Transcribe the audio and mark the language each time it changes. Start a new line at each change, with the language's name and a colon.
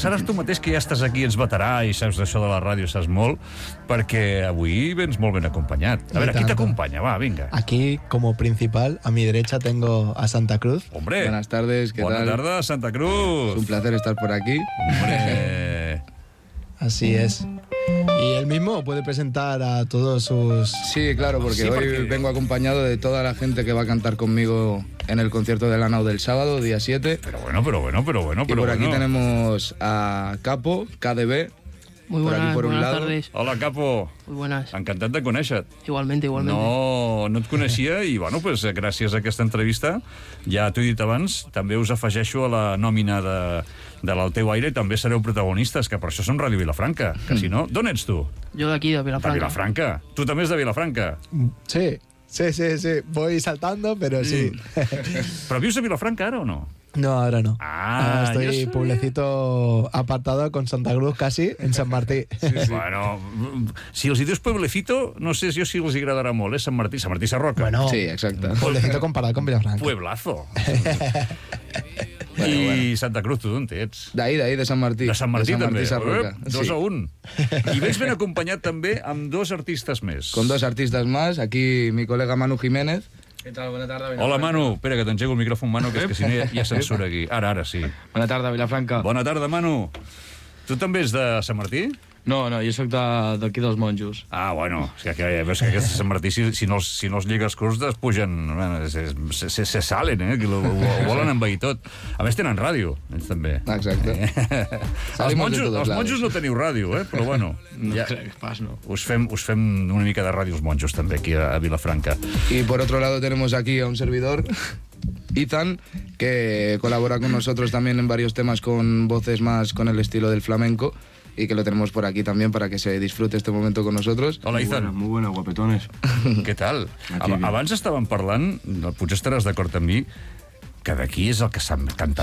Catalan: Seràs tu mateix que ja estàs aquí, ens veterà i saps d'això de la ràdio, saps molt, perquè avui vens molt ben acompanyat. A veure, qui t'acompanya? Va, vinga.
Spanish: Aquí, como principal, a mi derecha tengo a Santa Cruz. Hombre. Buenas tardes, ¿qué tal? Buenas tardes, Santa Cruz. Es un placer estar por aquí. Hombre. Así es. Y él mismo puede presentar a todos sus... Sí, claro, porque hoy vengo acompañado de toda la gente que va a cantar conmigo en el concierto de la Nau del sábado, día 7. Pero bueno. Y por aquí tenemos a Capo, KDB. Muy buenas, por aquí, por buenas tardes. Hola, Capo. Muy buenas.
Catalan: Encantat de conèixer-te.
Spanish: Igualmente.
Catalan: No et coneixia i, bueno, pues gràcies a aquesta entrevista, ja t'ho he dit abans, també us afegeixo a la nòmina de l'Al teu aire i també sereu protagonistes, que per això som Ràdio Vilafranca, que si no... D'on ets tu? Jo d'aquí, de Vilafranca. De Vilafranca. Tu també ets de Vilafranca.
Spanish: Sí. Voy saltando, pero sí.
Catalan: Però vius a Vilafranca ara o no?
Spanish: No, ahora no. Ah, estoy pueblecito apartado con Santa Cruz, casi, en San Martín. Sí, sí.
Catalan: Bueno, si els dius pueblecito, no sé si els agradarà molt, eh?
Spanish: San Martín, San Martín Sarroca. Bueno,
Catalan: sí, exacte.
Spanish: Pueblecito comparado con Vilafranca. Pueblazo. Bueno.
Catalan: Santa Cruz, tu d'on ets? D'ahí, de San Martín. De San Martín, també. De San Martín Sarroca. Dos a un. I vens ben acompanyat, també, amb dos artistes més.
Spanish: Con dos artistes más. Aquí mi colega Manu Jiménez. ¿Qué tal? Buenas tardes, Vilafranca. Hola, Manu.
Catalan: Espera, que t'engego el micròfon, Manu, que és que si no hi ha censura aquí. Ara, sí. Bona tarda, Vilafranca. Bona tarda, Manu. Tu també ets de Sant Martí? No, jo soc d'aquí dels Monjos. Ah, bueno, és que aquests de Sant Martí, si no els lligues curts, es pugen,
Spanish: se salen,
Catalan: ho volen envair tot. A més, tenen ràdio, ells també. Exacte. Els monjos no teniu ràdio, però bueno. No ja, crec pas, no. Us fem una mica de ràdio els monjos, també, aquí a Vilafranca.
Spanish: Y por otro lado tenemos aquí a un servidor, Ethan, que colabora con nosotros también en varios temas con voces más con el estilo del flamenco. Y que lo tenemos por aquí también para que se disfrute este momento con nosotros. Hola, Izan. Muy buena, guapetones. ¿Qué tal?
Catalan: Abans estaven parlant, potser estaràs d'acord amb mi, que d'aquí és el que canta